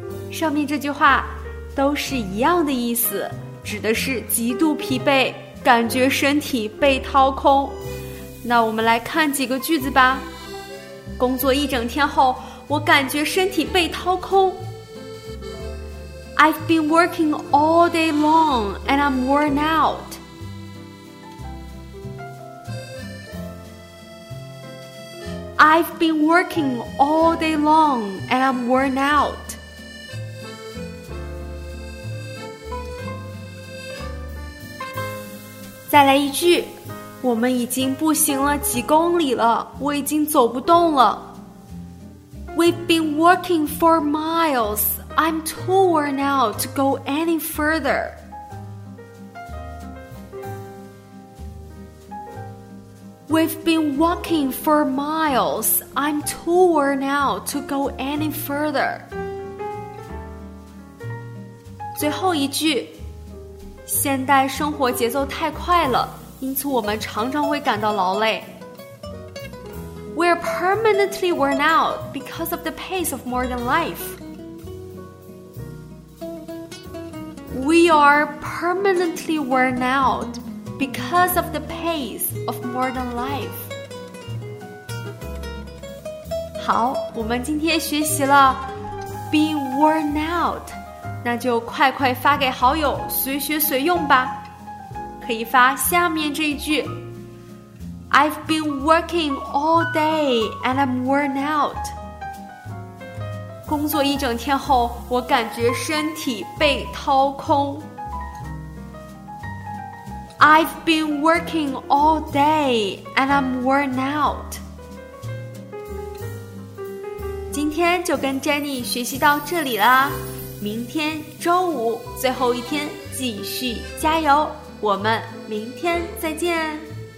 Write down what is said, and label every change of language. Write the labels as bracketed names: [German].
[Chinese] 上面这句话都是一样的意思，指的是极度疲惫，感觉身体被掏空。那我们来看几个句子吧。工作一整天后，我感觉身体被掏空。 [English] I've been working all day long and I'm worn out. I've been working all day long and I'm worn out. [Chinese] 再来一句，我们已经步行了几公里了，我已经走不动了。 [English] We've been walking for miles. I'm too worn out to go any further. We've been walking for miles. I'm too worn out to go any further. [Chinese] 最后一句，现代生活节奏太快了，因此我们常常会感到劳累。 [English] We're permanently worn out because of the pace of modern life. We are permanently worn out. Because of the pace of modern life. [Chinese] 好，我们今天学习了 be worn out， 那就快快发给好友，随学随用吧。可以发下面这一句 [English] I've been working all day and I'm worn out. [Chinese] 工作一整天后，我感觉身体被掏空。 [English] I've been working all day and I'm worn out. [Chinese] 今天就跟 Jenny 学习到这里啦，明天周五最后一天，继续加油，我们明天再见。